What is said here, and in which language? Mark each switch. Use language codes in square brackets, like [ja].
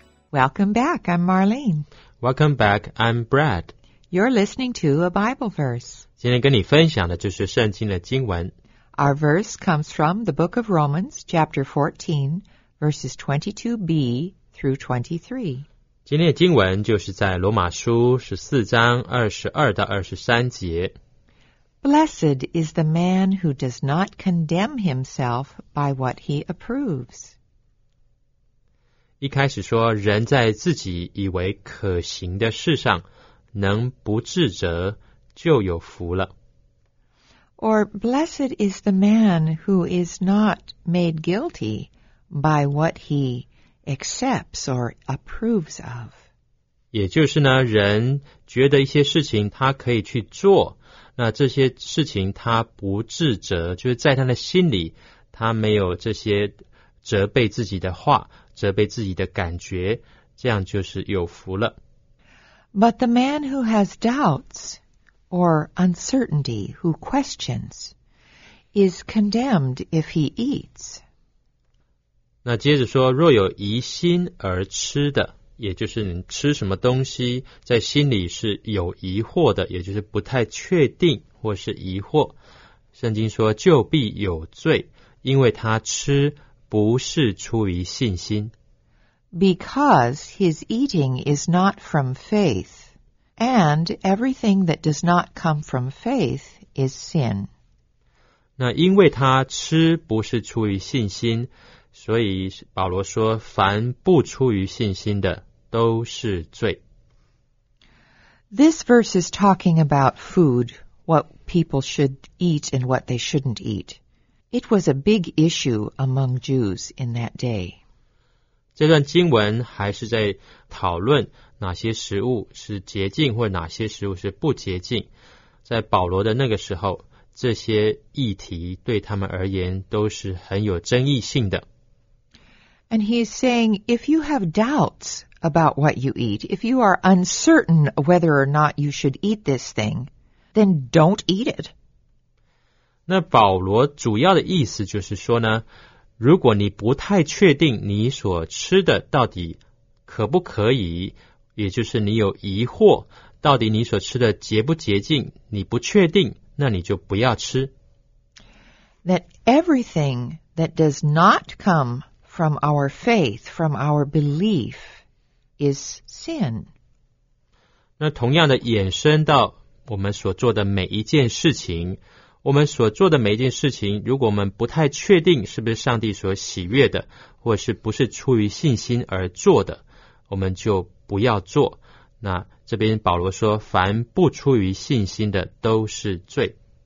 [en] Welcome back, I'm Marlene. Welcome back, I'm Brad. You're listening to a Bible verse. [zh] 今天跟你分享的就是圣经的经文。 [en] Our verse comes from the book of Romans, chapter 14, verses 22b through 23. [zh] 今天的经文就是在罗马书14章22到23节。 [en] Blessed is the man who does not condemn himself by what he approves. [zh] 一开始说，人在自己以为可行的事上，能不自责就有福了。 [en] Or blessed is the man who is not made guilty by what he accepts or approves of. [zh] 也就是呢，人觉得一些事情他可以去做，那这些事情他不自责，就是在他的心里，他没有这些责备自己的话。责备自己的感觉，这样就是有福了。 [en] But the man who has doubts or uncertainty, who questions, is condemned if he eats. [zh] 那接着说，若有疑心而吃的，也就是你吃什么东西，在心里是有疑惑的，也就是不太确定或是疑惑。圣经说，就必有罪，因为他吃不是出于信心。 [en] Because his eating is not from faith, and everything that does not come from faith is sin. [zh] 那因为他吃不是出于信心，所以保罗说，凡不出于信心的都是罪。 [en] This verse is talking about food, what people should eat and what they shouldn't eat. It was a big issue among Jews in that day. [zh] 这段经文还是在讨论哪些食物是洁净或哪些食物是不洁净。在保罗的那个时候，这些议题对他们而言都是很有争议性的。 [en] And he is saying, if you have doubts about what you eat, if you are uncertain whether or not you should eat this thing, then don't eat it. [zh] 那保罗主要的意思就是说呢，如果你不太确定你所吃的到底可不可以，也就是你有疑惑，到底你所吃的洁不洁净，你不确定，那你就不要吃。 [en] That everything that does not come from our faith, from our belief, is sin. [zh] 那同样的衍生到我们所做的每一件事情，我们所做的每一件事情，如果我们不太确定是不是上帝所喜悦的，或是不是出于信心而做的，我们就不要做。那这边保罗说，凡不出于信心的都是罪。